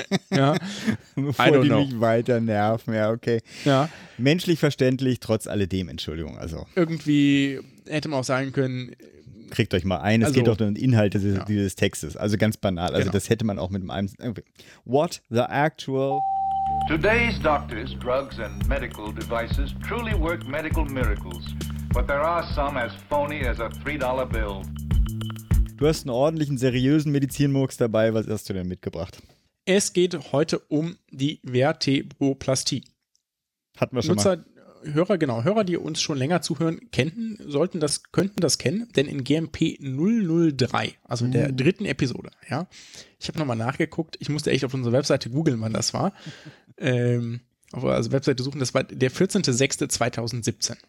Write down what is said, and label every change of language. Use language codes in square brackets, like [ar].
[de] Ja. Bevor die mich weiter nerven, ja, okay. Ja. Menschlich verständlich, trotz alledem, Entschuldigung. Also. Irgendwie hätte man auch sagen können, kriegt euch mal ein. Es geht doch um den Inhalt dieses Textes. Also ganz banal. Also genau. Das hätte man auch mit einem... [en] Irgendwie. What the actual... Today's doctors, drugs and medical devices truly work medical miracles. But there are some as phony as a $3 bill. [de] Du hast einen ordentlichen, seriösen Medizinmurks dabei. Was hast du denn mitgebracht? Es geht heute um die Vertebroplastie. Hatten wir schon mal. Hörer, die uns schon länger zuhören, könnten das kennen, denn in GMP 003, also in der dritten Episode, ja, ich habe nochmal nachgeguckt, ich musste echt auf unsere Webseite googeln, wann das war, Webseite suchen, das war der 14.06.2017.